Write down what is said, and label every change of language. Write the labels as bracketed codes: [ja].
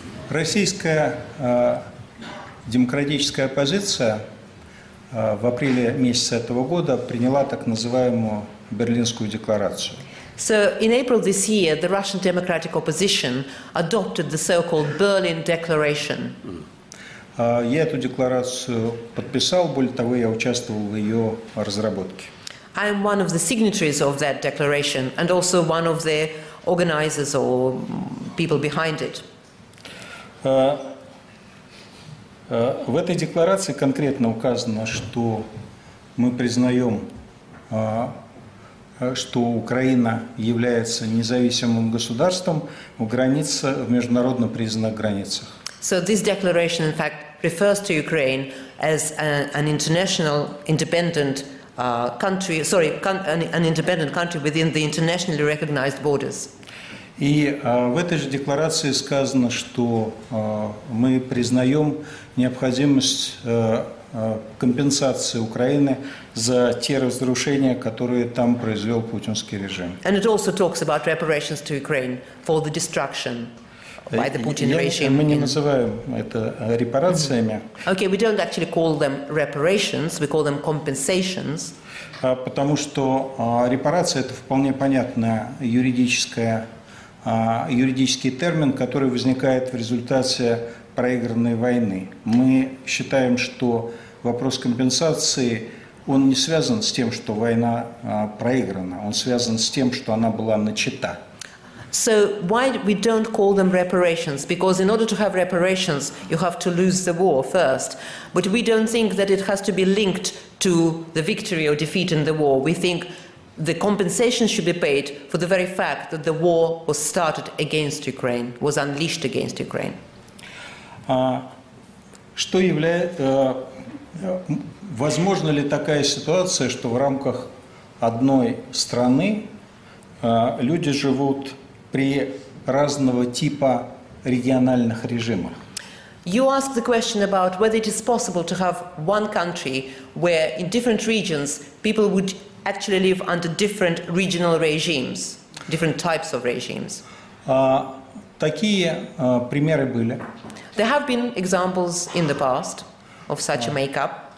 [ru] Российская демократическая оппозиция в апреле месяце этого года приняла так называемую Берлинскую декларацию. [en] So in April this year, the Russian Democratic Opposition adopted the so-called Berlin Declaration. [ru] Я эту декларацию подписал, более того, я участвовал в ее разработке. [en] I am one of the signatories of that declaration and also one of the organizers or people behind it. [ru] В этой декларации конкретно указано, что мы признаем, что Украина является независимым государством в международно признанных границах. [en] So this declaration, in fact, refers to Ukraine as an international independent country, sorry, an independent country within the internationally recognized borders. [ru] И в этой же декларации сказано, что мы признаем необходимость компенсации Украины за те разрушения, которые там произвел путинский режим. [en] And it also talks about reparations to Ukraine for the destruction by the Putin regime. [ru] Мы не называем это репарациями. [en] Okay, we don't actually call them reparations, we call them compensations. [ru] Потому что репарация — это вполне понятная юридическая юридический термин, который возникает в результате проигранной войны. Мы считаем, что вопрос компенсации, он не связан с тем, что война проиграна, он связан с тем, что она была начата. [en] So why we don't call them reparations? Because in order to have reparations, you have to lose the war first. But we don't think that it has to be linked to the victory or defeat in the war. We think the compensation should be paid for the very fact that the war was started against Ukraine, was unleashed against Ukraine. [ru] Что является, возможно ли такая ситуация, что в рамках одной страны люди живут при разного типа региональных режимах? [en] You ask the question about whether it is possible to have one country where in different regions people would actually live under different regional regimes, different types of regimes. [ru] Такие примеры были. [en] There have been examples in the past of such a makeup.